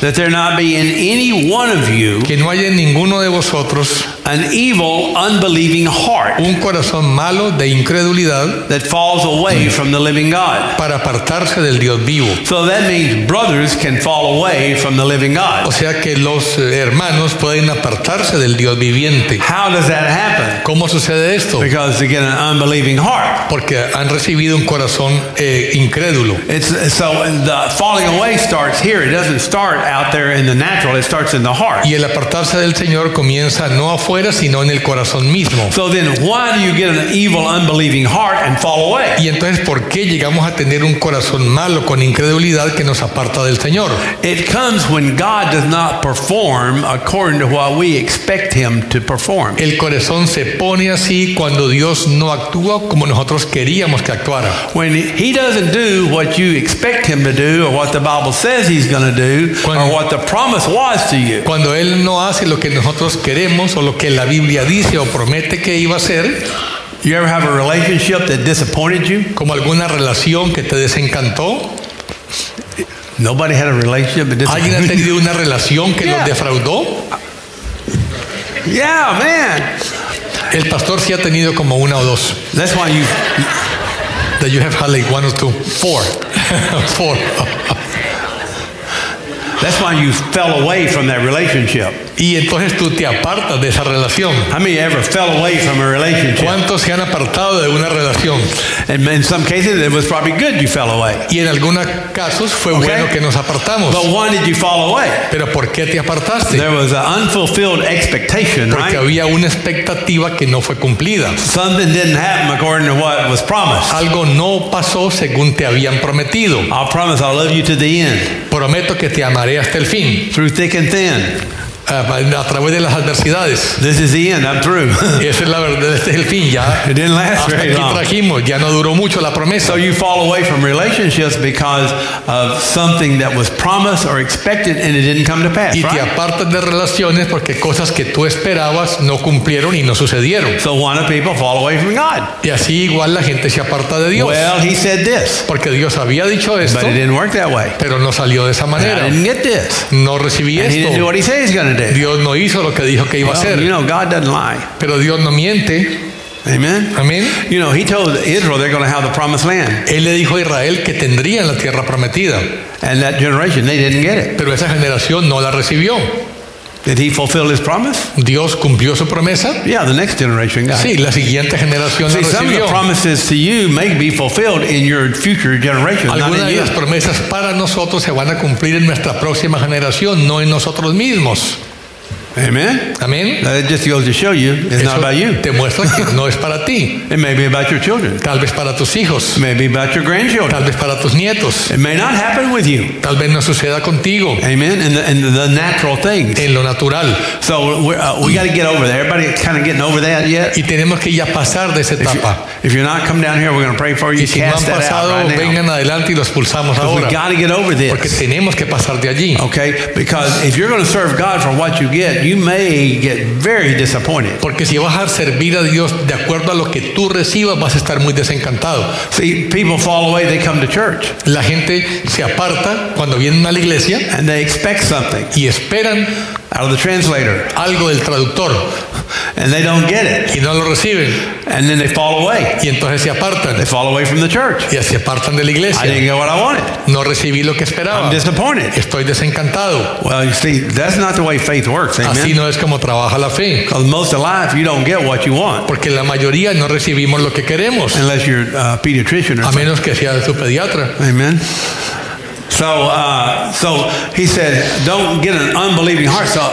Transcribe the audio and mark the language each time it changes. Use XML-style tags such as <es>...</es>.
<en>that there not be in any one of you,</en> <es>que no haya en ninguno de vosotros,</es> <en>an evil, unbelieving heart,</en> <es>un corazón malo de incredulidad,</es> <en>that falls away from the living God,</en> <es>para apartarse del Dios vivo.</es> <en>So that means brothers can fall away from the living God.</en> <es>O sea que los hermanos pueden apartarse del Dios viviente.</es> <en>How does that happen?</en> <es>¿Cómo sucede esto?</es> <en>Because they get an unbelieving heart.</en> <es>Porque han recibido un corazón incrédulo.</es> <en>The falling away starts here. It doesn't start out there in the natural. It starts in the heart.</en> <es>Y el apartarse del Señor comienza no afuera, sino en el corazón mismo.</es> <en>So then, why do you get an evil, unbelieving heart and fall away?</en> <es>Y entonces, ¿por qué llegamos a tener un corazón malo con incredulidad que nos aparta del Señor?</es> <en>It comes when God does not perform according to what we expect Him to perform.</en> <es>El corazón se pone así cuando Dios no actúa como nosotros queríamos que actuara.</es> <en>When He doesn't do what you expect Him to do, or what the Bible says He's going to do, or what the promise was to you.</en> <es>Cuando él no hace lo que nosotros queremos o lo que la Biblia dice o promete que iba a hacer.</es> <en>You ever have a relationship that disappointed you?</en> <es>Como alguna relación que te desencantó.</es> <en>Nobody had a relationship that disappointed.</en> <es>¿Alguien ha tenido una relación que los defraudó?</es> <en>Yeah, man.</en> <es>El pastor sí ha tenido como una o dos.</es> <en>That's why you. That you have had like one or two. Four. Four. That's why you fell away from that relationship.</en> <es>Y entonces tú te apartas de esa relación.</es> <en>How many ever fell away from a relationship?</en> <es>¿Cuántos se han apartado de una relación?</es> <en>In some cases, it was probably good you fell away.</en> <es>Y en algunos casos fue bueno que nos apartamos.</es> <en>But why did you fall away?</en> <es>Pero ¿por qué te apartaste?</es> <en>There was an unfulfilled expectation,</en> <es>porque</es> <en>right?</en> <es>Había una expectativa que no fue cumplida.</es> <en>Something didn't happen according to what was promised.</en> <es>Algo no pasó según te habían prometido.</es> <en>I promise I'll love you to the end.</en> <es>Prometo que te amaré hasta el fin.</es> <en>Through thick and thin.</en> <es>A través de las adversidades.</es> <en>This is the end, I'm through.</en> <es>Esa es la verdad, este es el fin ya.</es> <en>It didn't last very long.</en> <es>Hasta aquí trajimos, ya no duró mucho la promesa.</es> <en>So you fall away from relationships because of something that was promised or expected and it didn't come to pass.</en> <es>Y te apartas de relaciones porque cosas que tú esperabas no cumplieron y no sucedieron.</es> <en>So why do people fall away from God?</en> <es>Y así igual la gente se aparta de Dios.</es> <en>Well, he said this.</en> <es>Porque Dios había dicho esto.</es> <en>But it didn't work that way.</en> <es>Pero no salió de esa manera.</es> <en>I didn't get this.</en> <es>No recibí</es> <en>and</en> <es>esto.</es> <en>He didn't do what he says.</en> <es>Dios no hizo lo que dijo que iba a hacer.</es> <en>You know, God doesn't lie.</en> <es>Pero Dios no miente. Amen. Amen.</es> <en>You know, He told Israel they're going to have the promised land.</en> <es>Él le dijo a Israel que tendrían la tierra prometida.</es> <en>And that generation, they didn't get it.</en> <es>Pero esa generación no la recibió.</es> <en>Did He fulfill His promise?</en> <es>¿Dios cumplió su promesa?</es> <en>Yeah, the next generation got it.</en> <es>Sí, la siguiente generación la recibió.</es> <en>See, some of the promises to you may be fulfilled in your future generation, not in you.</en> <es>Algunas de las promesas para nosotros se van a cumplir en nuestra próxima generación, no en nosotros mismos.</es> <en>Amen. Amen. That just goes to show you, it's</en> <es>eso</es> <en>not about you.</en> <es>Te muestra que no es para ti.</es> <en>It may be about your children.</en> <es>Tal vez para tus hijos.</es> <en>It may be about your grandchildren.</en> <es>Tal vez para tus nietos.</es> <en>It may not happen with you.</en> <es>Tal vez no suceda contigo.</es> <en>Amen. In the natural things.</en> <es>En lo natural.</es> <en>So we got to get over that. Everybody kind of getting over that yet?</en> <es>Y tenemos que ya pasar de esa etapa.</es> <en>If you're not come down here, we're going to pray for you.</en> <es>Y si no han pasado,</es> <en>right,</en> <es>vengan</es> <en>now</en> <es>adelante y los pulsamos ahora.</es> <en>We got to get over this.</en> <es>Porque tenemos que pasar de allí.</es> <en>Okay. Because if you're going to serve God for what you get, you may get very disappointed.</en> <es>Porque si vas a servir a Dios de acuerdo a lo que tú recibas, vas a estar muy desencantado.</es> <en>See, people fall away, they come to church.</en> <es>La gente se aparta cuando vienen a la iglesia.</es> <en>And they expect something.</en> <es>Y esperan</es> <en>out of the translator.</en> <es>Algo del traductor.</es> <en>And they don't get it.</en> <es>Y no lo reciben.</es> <en>And then they fall away.</en> <es>Y entonces se apartan.</es> <en>They fall away from the church.</en> <es>Y se apartan de la iglesia.</es> <en>I didn't get what I wanted.</en> <es>No recibí lo que esperaba.</es> <en>I'm disappointed.</en> <es>Estoy desencantado.</es> <en>Well, you see, that's not the way faith works. Amen.</en> <es>Así no es como trabaja la fe.</es> <en>Because most of life, you don't get what you want.</en> <es>Porque la mayoría no recibimos lo que queremos.</es> <en>Unless you're a pediatrician.</en> <es>A menos que sea su pediatra. Amen.</es> <en>So he said, don't get an unbelieving heart.</en>